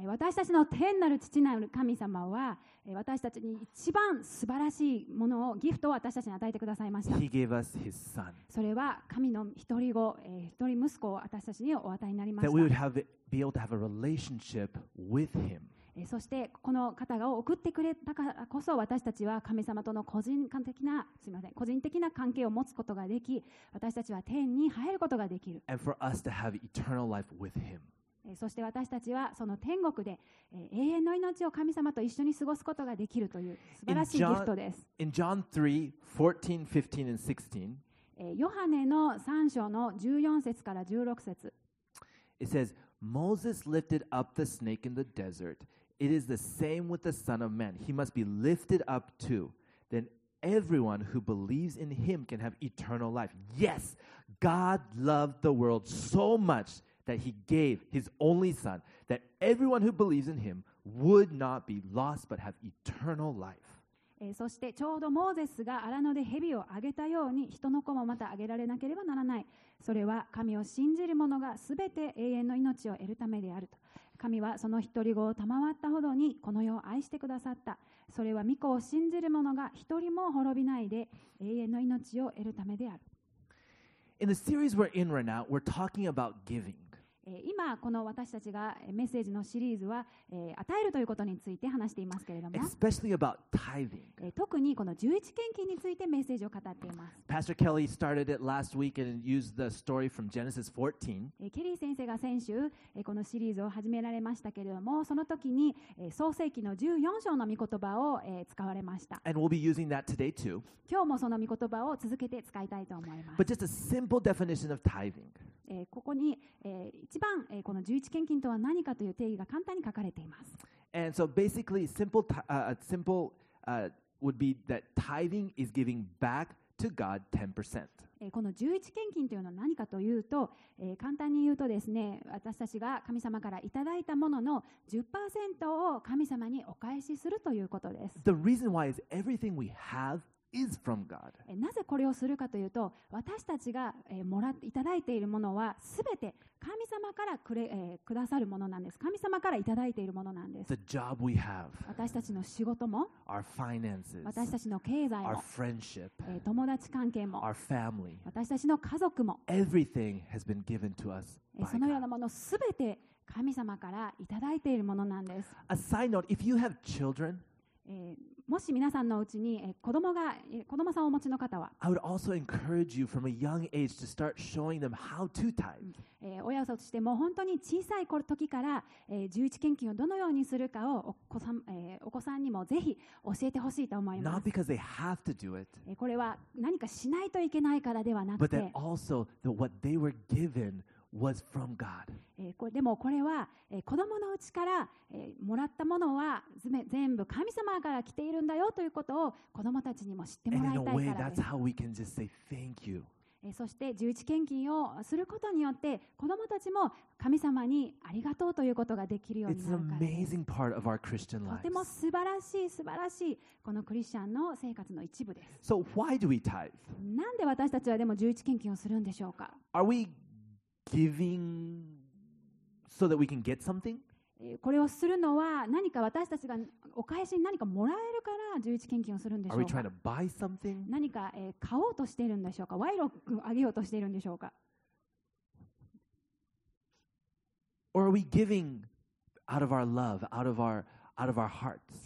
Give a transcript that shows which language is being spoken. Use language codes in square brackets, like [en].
[ja] 私たちの天なる父なる神様は、私たちに一番素晴らしいものを、ギフトを私たちに与えてくださいました。 [en] He gave us His Son. [ja] それは神の一人子、一人息子を私たちにお与えになりました。 [en] That we would have be able to have a relationship with Him. [ja] そしてこの方が送ってくれたからこそ、私たちは神様との個人的な関係を持つことができ、私たちは天に入ることができる。 [en] And for us to have eternal life with him. [ja] そして私たちはその天国で永遠の命を神様と一緒に過ごすことができるという素晴らしいギフトです。 [en] In John 3:14-15 and 16, [ja] ヨハネの3章の14節から16節、 [en] It saysMoses lifted up the snake in the desert. It is the same with the Son of Man. He must be lifted up too. Then everyone who believes in him can have eternal life. Yes, God loved the world so much that he gave his only Son, that everyone who believes in him would not be lost but have eternal life. [ja] そしてちょうどモーゼスが荒野で蛇をあげたように、人の子もまたあげられなければならない。それは神を信じる者がすべて永遠の命を得るためであると。神はその一人子を賜ったほどにこの世を愛してくださった。それは御子を信じる者が一人も滅びないで永遠の命を得るためである。 [en] In the series we're in right now, we're talking about giving. [ja] 今この私たちがメッセージのシリーズは、与えるということについて話していますけれども、 [en] Especially about tithing. [ja] 特にこの十一献金についてメッセージを語っています。 [en] Pastor Kelly started it last week and used the story from Genesis 14. [ja] ケリー先生が先週このシリーズを始められましたけれども、その時に創世記の14章の御言葉を使われました。 [en] And we'll be using that today too. [ja] 今日もその御言葉を続けて使いたいと思います。 [en] But just a simple definition of tithing. [ja] ここに一番この十一献金とは何かという定義が簡単に書かれています。 [en] And so basically would be that tithing is giving back to God 10%. [ja] この十一献金というのは何かというと、簡単に言うとですね、私たちが神様からいただいたものの 10% を神様にお返しするということです。 [en] The reason why is everything we have is from God. [ja] なぜこれをするかというと、私たちがもらいただいているものはすべて神様からくださるものなんです。神様からいただいているものなんです。 [en] The job we have, [ja] 私たちの仕事も、 [en] our finances, [ja] 私たちの経済も、 [en] our friendship, [ja] 友達関係も、 [en] our family, [ja] 私たちの家族も、 [en] everything has been given to us by God. [ja] そのようなものすべて神様からいただいているものなんです。 [en] A side note, if you have children, [ja] もし皆さんのうちに子供さんをお持ちの方は、 [en] I would also encourage you from a young age to start showing them how to tithe. [ja] 親としても本当に小さい時から十一献金をどのようにするかをお子さんにもぜひ教えてほしいと思います。 [en] Not because they have to do it. [ja] これは何かしないといけないからではなくて、 [en] But that also that what they were given. Was from God. [ja] でもこれは子供のうちからもらったものは全部神様から来ているんだよということを子供たちにも知ってもらいたいからです。 [en] That's how we can just say thank you. [ja] そして十一献金をすることによって子供たちも神様にありがとうということができるようになるからです。 [en] It's an amazing part of our Christian lives. [ja] とても素晴らしい素晴らしいこのクリスチャンの生活の一部です。 [en] So why do we tithe? [ja] なんで私たちはでも十一献金をするんでしょうか。 [en] Are weGiving so that we can get something? [ja] これをするのは何か私たちがお返しに何かもらえるから十一献金をするんでしょうか。 [en] Are we trying to buy something? [ja] 何か買おうとしているんでしょうか。賄賂をあげようとしているんでしょうか。 [en] Or are we giving out of our love, out of our hearts?